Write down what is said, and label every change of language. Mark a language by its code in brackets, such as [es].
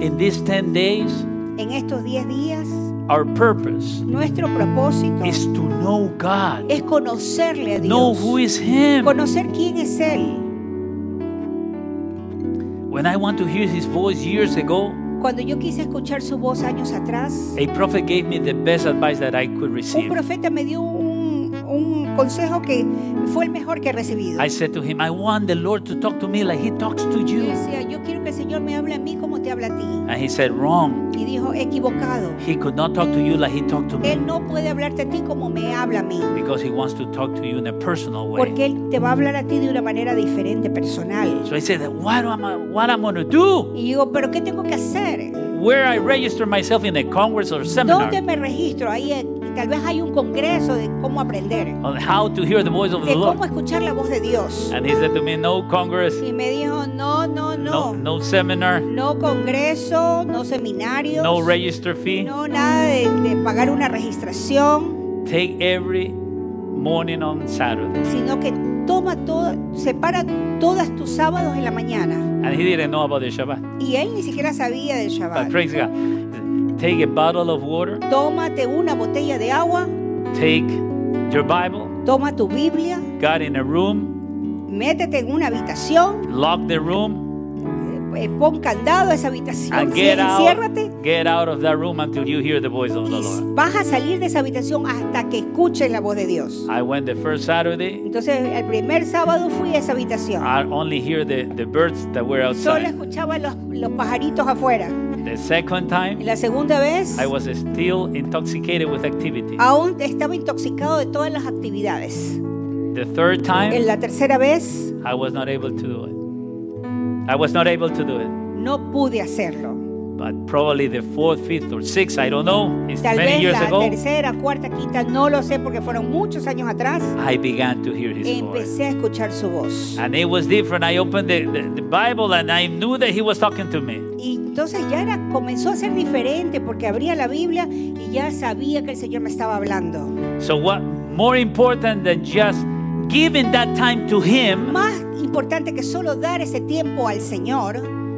[en] In these 10 days, [es] en estos 10 días, [en] our purpose, [es] nuestro propósito, [en] is to know God. [es] Es conocerle a Dios. [en] Know who is Him. [es] Conocer quién es Él. [en] When I want to hear His voice years ago, [es] cuando yo quise escuchar su voz años atrás, [en] a prophet gave me the best advice that I could receive. [es] Un profeta me dio un consejo que fue el mejor que he recibido. [en] I said to him, I want the Lord to talk to me like He talks to you. [es] Y decía, yo quiero que el Señor me hable a mí como te habla a ti. [en] And he said, wrong. [es] Y dijo, equivocado. [en] He could not talk to you like He talked to me. [es] Él no puede hablarte a ti como me habla a mí. [en] Because He wants to talk to you in a personal way. [es] Porque Él te va a hablar a ti de una manera diferente, personal. [en] So I said, what am I going to do? [es] Y digo, pero ¿qué tengo que hacer? [en] Where I register myself in a congress or seminar. [es] ¿Dónde me registro? Ahí es. Tal vez hay un congreso de cómo aprender. [en] On how to hear the voice of [es] de [en] the Lord. [es] De cómo escuchar la voz de Dios. [en] And he said to me, no congress. [es] Y me dijo, no. [en] No seminar. [es] No congreso, no seminario. [en] No register fee. [es] No nada de pagar una registración. [en] Take every morning on Saturday. [es] Sino que toma todo, separa todas tus sábados en la mañana. [en] And he didn't know about the Shabbat. [es] Y él ni siquiera sabía del Shabbat. [en] But praise God. Take a bottle of water. [es] Tómate una botella de agua. [en] Take your Bible. [es] Toma tu Biblia. [en] Got in a room. [es] Métete en una habitación. [en] Lock the room. [es] Pon candado a esa habitación. [en] And get out. Get out of that room until you hear the voice of the Lord. [es] Vas a salir de esa habitación hasta que escuches la voz de Dios. [en] I went the first Saturday. [es] Entonces el primer sábado fui a esa habitación. [en] I only hear the birds that were outside. [es] Solo escuchaba los pajaritos afuera. [en] The second time, [es] la segunda vez, [en] I was still intoxicated with activity. [es] Aún estaba intoxicado de todas las actividades. [en] The third time, [es] en la tercera vez, [en] I was not able to do it. I was not able to do it. [es] No pude hacerlo. [en] But probably the fourth, fifth, or sixth, I don't know. It's [es] tal [en] many [es] vez [en] years [es] la [en] ago. [es] Tercera, cuarta, quinta, no lo sé porque fueron muchos años atrás. [en] I began to hear his [es] empecé [en] voice. [es] A escuchar su voz. [en] And it was different. I opened the Bible and I knew that he was talking to me. [es] Y entonces ya era, comenzó a ser diferente porque abría la Biblia y ya sabía que el Señor me estaba hablando. [en] So what more important than just giving that time to him? [es] Más importante que solo dar ese tiempo al Señor.